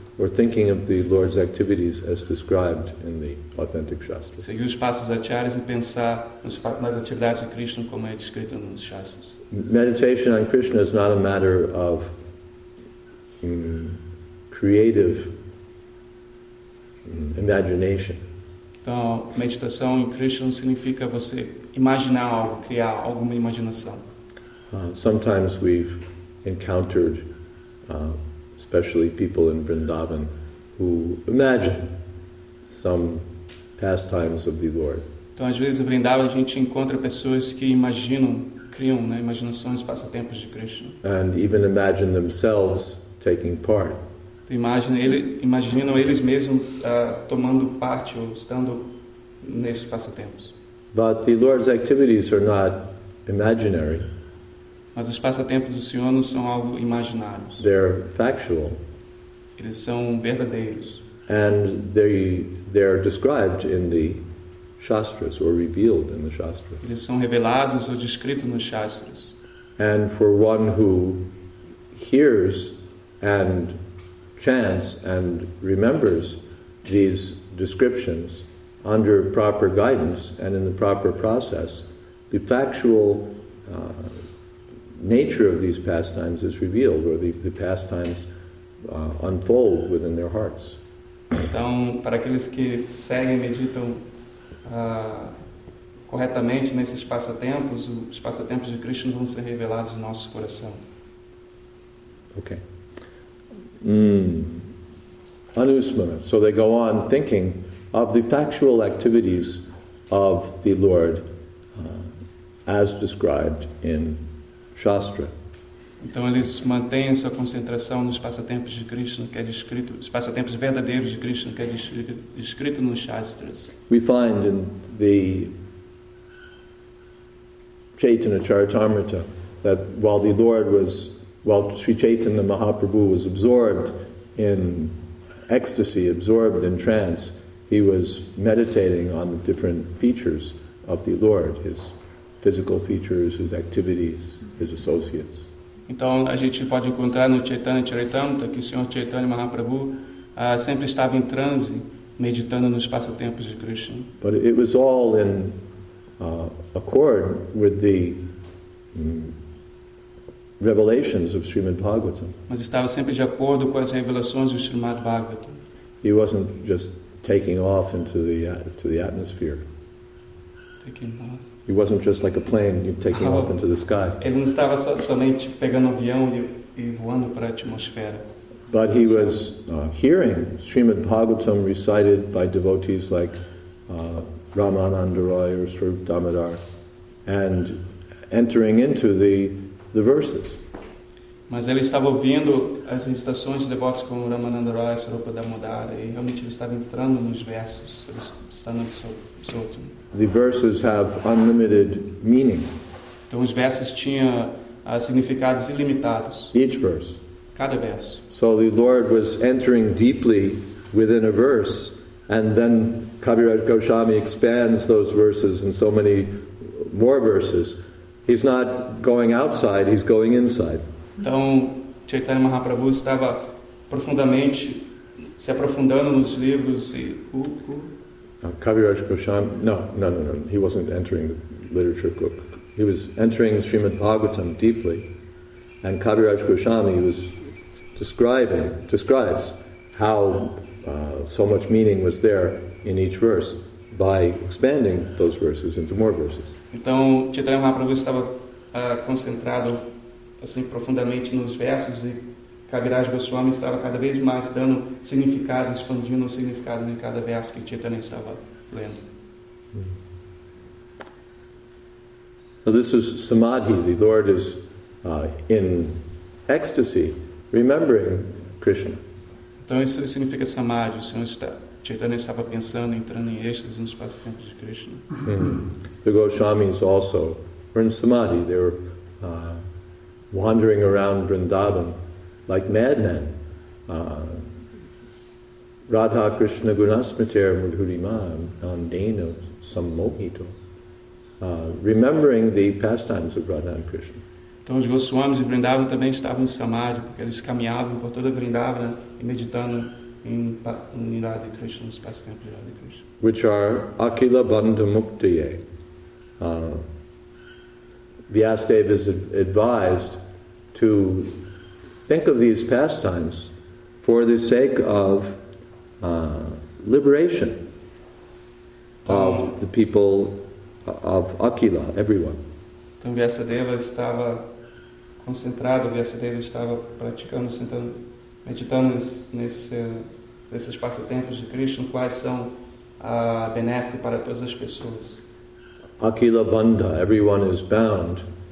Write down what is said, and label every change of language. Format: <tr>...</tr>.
<en>We're thinking of the Lord's activities as described in the authentic shastras.</en> <pt>Seguir os passos acharyas e pensar nas atividades de Krishna como é descrito nos shastras.</pt> <en>Meditation on Krishna is not a matter of creative imagination.</en> <pt>Então, meditação em Krishna significa você imaginar algo, criar alguma imaginação.</pt> <en>Sometimes we've encountered especially people in Vrindavan who imagine some pastimes of the Lord.</en> <pt>Então, às vezes, em Vrindavan, a gente encontra pessoas que imaginam, criam, né, imaginações, passatempos de Krishna.</pt> <en>And even imagine themselves taking part.</en> <pt>Então, imaginam eles mesmos tomando parte ou estando nesses passatempos.</pt> <en>But the Lord's activities are not imaginary.</en> <pt>Mas os passatempos do Senhor não são algo imaginários.</pt> <en>They're factual.</en> <pt>Eles são verdadeiros.</pt> <en>And they are described in the shastras or revealed in the shastras.</en> <pt>Eles são revelados ou descritos nos shastras.</pt> <en>And for one who hears and chants and remembers these descriptions under proper guidance and in the proper process, the factual nature of these pastimes is revealed, or the pastimes unfold within their hearts.</en> <pt>Então, para aqueles que seguem e meditam corretamente nesses passatempos, os passatempos de Krishna vão ser revelados no nosso coração.</pt> <en>Ok.</en> <sa>Anusmara.</sa> <en>So they go on thinking of the factual activities of the Lord as described in Shastra.</en> <pt>Então eles mantêm a sua concentração nos passatempos de Krishna, que é descrito, os passatempos verdadeiros de Krishna, que é descrito nos Shastras.</pt> <en>We find in the Chaitanya Charitamrita that while the Lord was, while Sri Chaitanya Mahaprabhu was absorbed in ecstasy, absorbed in trance, he was meditating on the different features of the Lord, his physical features, his activities, his associates.</en> <pt>Então, a gente pode encontrar no Chaitanya Charitamrita que o Senhor Chaitanya Mahaprabhu sempre estava em transe, meditando nos passatempos de Krishna.</pt> <en>But it was all in accord with the revelations of Srimad Bhagavatam.</en> <pt>Mas estava sempre de acordo com as revelações do Srimad Bhagavatam.</pt> <en>He wasn't just taking off into the to the atmosphere. Taking off. He wasn't just like a plane taking off into the sky.</en> <pt>Ele não estava somente pegando avião e voando para a atmosfera.</pt> <en>But he was hearing Srimad Bhagavatam recited by devotees like Ramananda Roy or Swarup Damodar, and entering into the verses.</en> <pt>Mas ele estava ouvindo as recitações de devotos como Ramananda Roy, Swarup Damodar, e realmente ele estava entrando nos versos, estando absorto.</pt> <en>The verses have unlimited meaning.</en> <pt>Então os versos tinham significados ilimitados.</pt> <en>Each verse.</en> <pt>Cada verso.</pt> <en>So the Lord was entering deeply within a verse, and then Kaviraj Goswami expands those verses in so many more verses. He's not going outside, he's going inside.</en> <pt>Então Chaitanya Mahaprabhu estava profundamente se aprofundando nos livros e</pt> <en>Kaviraj Goswami, no, he wasn't entering the literature group. He was entering Srimad Bhagavatam deeply, and Kaviraj Goswami was describes how so much meaning was there in each verse by expanding those verses into more verses.</en> <pt>Então, Chaitanya Mahaprabhu estava concentrado assim profundamente nos versos e Kaviraj Goswami estava cada vez mais dando significado, expandindo o significado em cada verso que Chaitanya estava lendo.</pt> <en>So this was samadhi. The Lord is in ecstasy, remembering Krishna.</en> <pt>Então isso significa samadhi. O Senhor está, Chaitanya estava pensando, entrando em êxtase nos passatempos de Krishna.</pt> <en>The Goswamis also were in samadhi. They were wandering around Vrindavan like madmen.</en> <sa>Radha Krishna Gunasmitir Murhurimam Nandeno Sammohito.</sa> <en>Remembering the pastimes of Radha and Krishna.</en> <pt>Então os Goswamis de Vrindavan também estavam em samadhi, porque eles caminhavam por toda Vrindavan e meditando em Radha Krishna, nos passatempos de Radha Krishna.</pt> <en>Which are</en> <sa>Akila Bandha Muktiye.</sa> <en>Vyasadeva is advised to think of these pastimes for the sake of liberation of the people of Akila, everyone.</en> <pt>Então Vyasadeva estava concentrado, Vyasadeva estava praticando, sentando, meditando nesses passatempos de Krishna, quais são benéficos para todas as pessoas.</pt> <sa>Akila Bandha,</sa> <en>everyone is bound.</en>